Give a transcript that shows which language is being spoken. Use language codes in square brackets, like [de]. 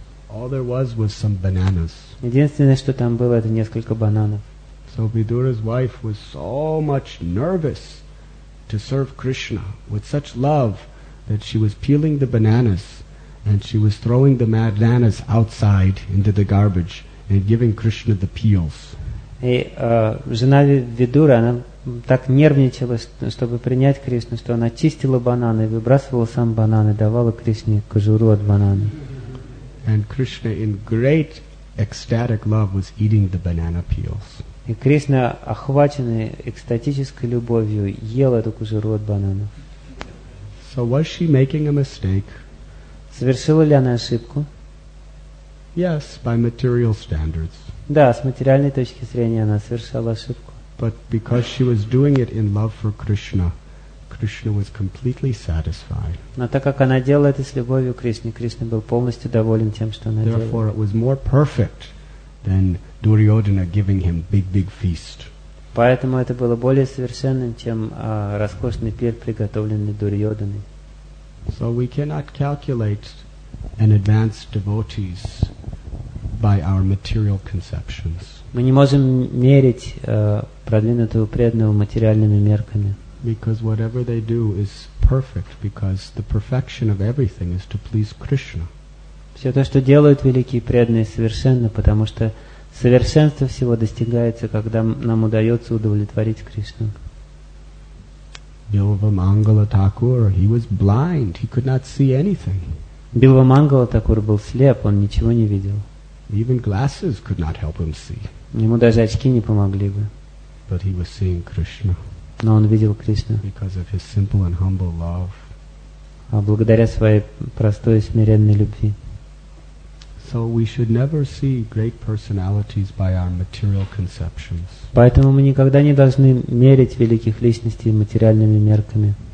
[en] All there was some bananas. [ru] Единственное, что там было, это несколько бананов. [en] So Vidura's wife was so much nervous to serve Krishna with such love that she was peeling the bananas and she was throwing the bananas outside into the garbage and giving Krishna the peels. [ru] И жена Видуры, она так нервничала, чтобы принять Кришну, что она чистила бананы, выбрасывала сам банан и давала Кришне кожуру от банана. [en] And Krishna, in great ecstatic love, was eating the banana peels. [ru] И Кришна, охваченный экстатической любовью, ел эту кожуру от бананов. [en] So was she making a mistake? [ru] Совершила ли она ошибку? [en] Yes, by material standards. [ru] Да, с материальной точки зрения она совершала ошибку. [en] But because she was doing it in love for Krishna, Krishna was completely satisfied. [ru] Но так как она делала это с любовью к Кришне, Кришна был полностью доволен тем, что она делала. [en] Therefore, it was more perfect than Duryodhana giving him big feast. [ru] Поэтому это было более совершенным, чем роскошный пир, приготовленный Дурьодханой. [en] So we cannot calculate an advanced devotee's by our material conceptions. [ru] Мы не можем мерить продвинутого преданного материальными мерками. [en] Because whatever they do is perfect, because the perfection of everything is to please Krishna. [ru] Все то, что делают великие преданные, совершенно, потому что совершенство всего достигается, когда нам удается удовлетворить Кришну. [en] Bilva Mangala Thakur, he was blind, he could not see anything. [ru] Bilva Mangala Thakur был слеп, он ничего не видел. [en] Even glasses could not help him see. [ru] Ему даже очки не помогли бы. [en] But he was seeing Krishna. [ru] Но он видел Кришну. [en] Because of his simple and humble love. [ru] А благодаря своей простой и смиренной любви. [en] So we should never see great personalities by our material conceptions. [ru] Поэтому мы никогда не должны мерить великих личностей материальными мерками.